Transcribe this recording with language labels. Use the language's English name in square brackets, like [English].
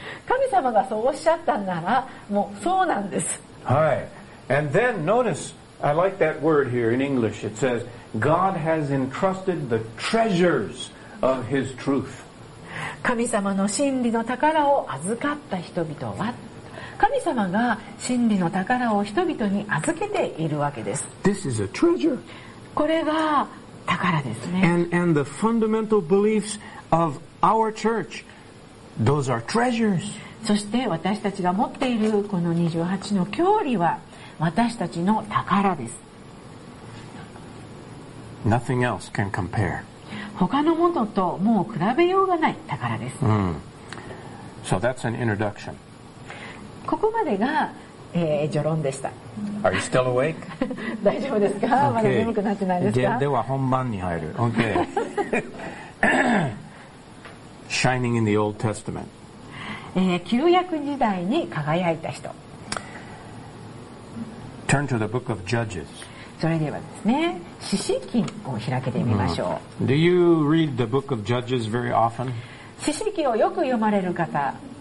[Japanese] 神様がそうおっしゃったんなら、もうそうなんです。はい。 [English] And then notice,I like that word here in English. It says, God has entrusted the treasures of His truth. [Japanese] 神様の真理の宝を預かった人々は、神様が真理の宝を人々に預けているわけです。 [English] This is a treasure. [Japanese] これが宝ですね。 [English] And the fundamental beliefs of our church, those are treasures. [Japanese] そして私たちが持っているこの28の教理は、私たちの宝です。 [English] Nothing else can compare. [Japanese] 他のものともう比べようがない宝です、 mm. [English] So that's an introduction. [Japanese] ここまでが、序論でした。 [English] Are you still awake? [Japanese] 大丈夫ですか、okay. まだ眠くなってないですか。では本番に入る、okay. [English] Shining in the Old Testament、 [Japanese] 旧約時代に輝いた人。 [English] Turn to the book of Judges. [Japanese] それではですね、詩詩記を開けてみましょう。 Mm-hmm. [English] Do you read the book of Judges very often? [Japanese] 詩詩記をよく読まれる方。